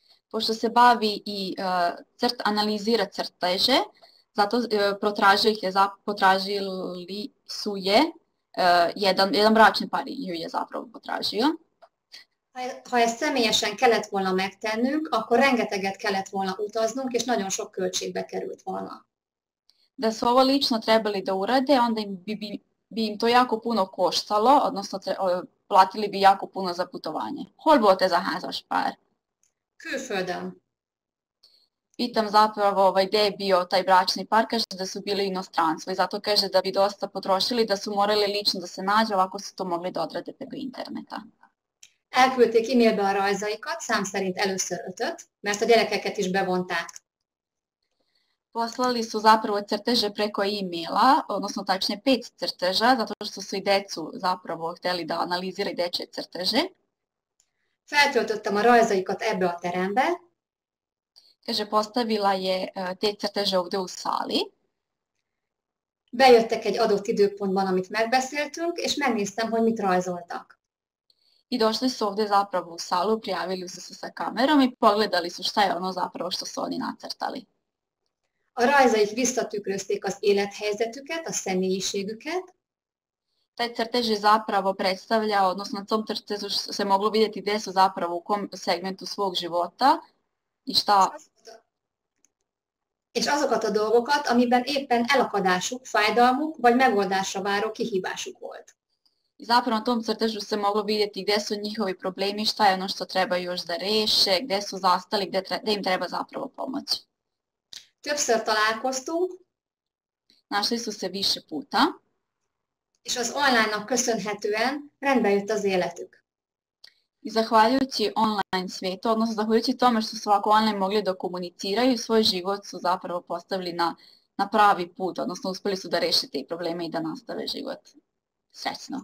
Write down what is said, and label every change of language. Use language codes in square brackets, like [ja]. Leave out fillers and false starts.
[sr] Pošto se bavi i analizira crteže, zato potražili su je, jedan bračni par ju je zapravo potražio. [hu] Ha ezt személyesen kellett volna megtennünk, akkor rengeteget kellett volna utaznunk, és nagyon sok költségbe került volna. [sr] Da su ovo lično trebali da urade, onda bi im to jako puno koštalo, odnosno platili bi jako puno za putovanje. [hu] Hol bote za házas pár? Külföldön. [sr] Pitam zapravo gde je bio taj bračni par, kaže da su bili inostranstvo i zato kaže da bi dosta potrošili, da su morali lično da se nađu, ovako su to mogli da odrade preko interneta. [hu] Elküldték e-mailbe a rajzaikat, szám szerint először 5-öt, mert a gyerekeket is bevonták. [sr] Poslali su zapravo crteže preko e-maila, odnosno tačne 5 crteža, zato što su i decu zapravo hteli da analiziraju deče crteže. [hu] Feltöltöttem a rajzaikat ebbe a terembe. [sr] Kaže, postavila je te crteže ovde u sali. [hu] Bejöttek egy adott időpontban, amit megbeszéltünk, és megnéztem, hogy mit rajzoltak. [sr] I došli su ovde zapravo u salu, prijavili su se sa kamerom i pogledali su šta je ono zapravo što su oni nacrtali. [hu] A rajzaik visszatükrözték az élethelyzetüket, a személyiségüket. [sr] Taj crtež je zapravo predstavljao, odnosno na tom crtežu se moglo vidjeti gde su zapravo u kom segmentu svog života i šta... [hu] És azokat a dolgokat, amiben éppen elakadásuk, fájdalmuk, vagy megoldásra váró kihívásuk volt. [sr] I zapravo na tom crtežu se moglo vidjeti gde su njihovi problemi, šta je ono što treba još da reše, gde su zastali, gde im treba zapravo pomoć. [hu] Többször találkoztunk. [sr] Našli su se više puta. [hu] És az online-nak köszönhetően rendbe jött az életük. [sr] I zahvaljujući online svetu, odnosno zahvaljujući tome što su ovako online mogli da komuniciraju, svoj život su zapravo postavili na pravi put, odnosno uspeli su da reše te probleme i da nastave život. Srećno.